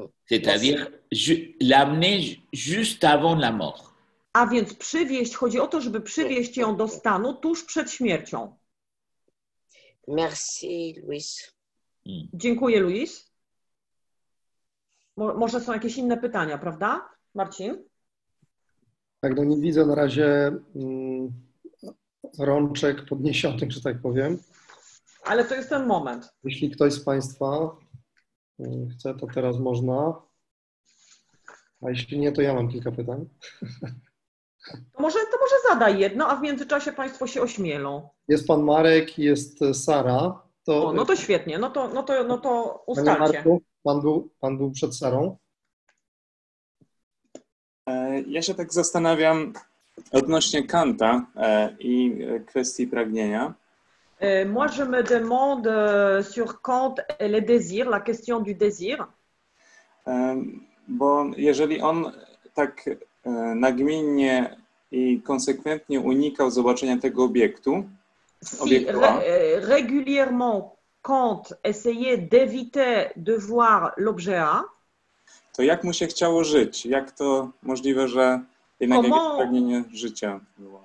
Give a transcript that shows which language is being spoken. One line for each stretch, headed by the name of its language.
French: C'est-à-dire l'amener juste avant la mort.
Polish: A więc przywieźć, chodzi o to, żeby przywieźć ją do stanu tuż przed śmiercią.
French: Merci, Louis.
Polish: Dziękuję, Louis. Może są jakieś inne pytania, prawda, Marcin? Tak, no nie widzę na razie rączek podniesionych, że tak powiem. Ale to jest ten moment. Jeśli ktoś z Państwa chce, to teraz można. A jeśli nie, to ja mam kilka pytań. To może zadaj jedno, a w międzyczasie Państwo się ośmielą. Jest Pan Marek i jest Sara. No to świetnie, no to ustalcie. Panie Marku, pan był przed Sarą? Ja się tak zastanawiam odnośnie Kanta i kwestii pragnienia.
French: Moi je me demande sur Kant et le désir, la question du désir.
Polish: Bo jeżeli on tak nagminnie i konsekwentnie unikał zobaczenia tego obiektu.
French: Régulièrement Kant essayait d'éviter de voir l'objet A.
Polish: To jak mu się chciało żyć? Jak to możliwe, że jednak jakieś pragnienie życia było?